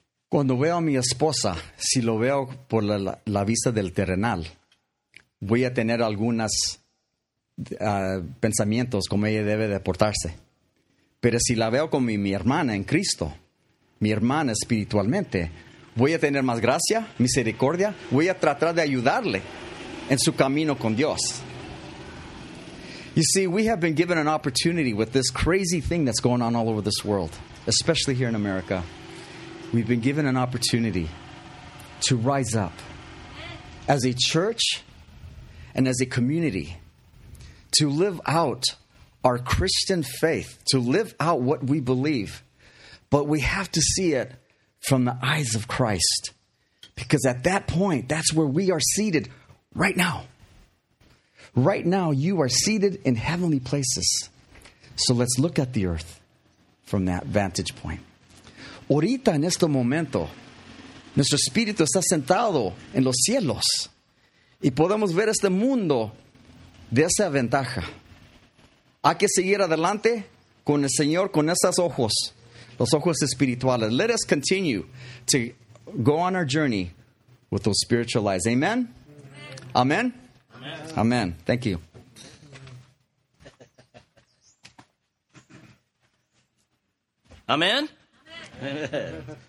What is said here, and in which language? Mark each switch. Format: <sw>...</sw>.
<es>Cuando veo a mi esposa, si lo veo por la vista del terrenal, voy a tener algunas pensamientos como ella debe de portarse. Pero si la veo con mi hermana en Cristo, mi hermana espiritualmente, voy a tener más gracia, misericordia, voy a tratar de ayudarle en su camino con Dios.</es> <en>You see, we have been given an opportunity with this crazy thing that's going on all over this world, especially here in America. We've been given an opportunity to rise up as a church and as a community, to live out our Christian faith, to live out what we believe. But we have to see it from the eyes of Christ, because at that point, that's where we are seated right now. Right now, you are seated in heavenly places. So let's look at the earth from that vantage point.</en> <es>Ahorita, en este momento, nuestro espíritu está sentado en los cielos. Y podemos ver este mundo de esa ventaja. Hay que seguir adelante con el Señor, con esos ojos, los ojos espirituales.</es> <en>Let us continue to go on our journey with those spiritual eyes. Amen? Amen. Amen. Amen. Amen. Thank you. Amen. Amen.</en>